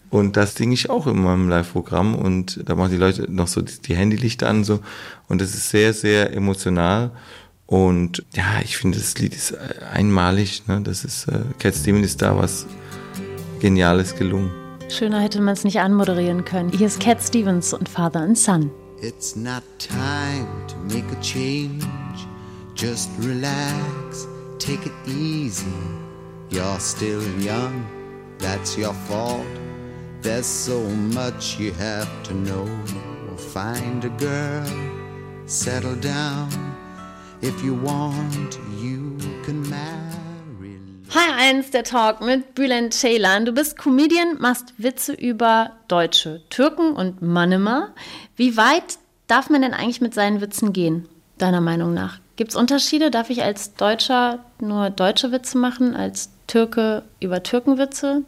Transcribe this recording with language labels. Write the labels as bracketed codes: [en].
[de] Und das singe ich auch in meinem Live-Programm und da machen die Leute noch so die Handylichter an und so. Und das ist sehr, sehr emotional und ja, ich finde, das Lied ist einmalig. Ne? Das ist, Cat Stevens ist da was Geniales gelungen. Schöner hätte man es nicht anmoderieren können. Hier ist Cat Stevens und Father and Son. [en] It's not time to make a change. Just relax, take it easy. You're still young, that's your fault. There's so much you have to know. Find a girl, settle down. If you want, you can marry. [de] Hi, eins der Talk mit Bülent Ceylan. Du bist Comedian, machst Witze über Deutsche, Türken und Mannemar. Wie weit darf man denn eigentlich mit seinen Witzen gehen, deiner Meinung nach? Gibt es Unterschiede? Darf ich als Deutscher nur deutsche Witze machen, als Türke über Türkenwitze?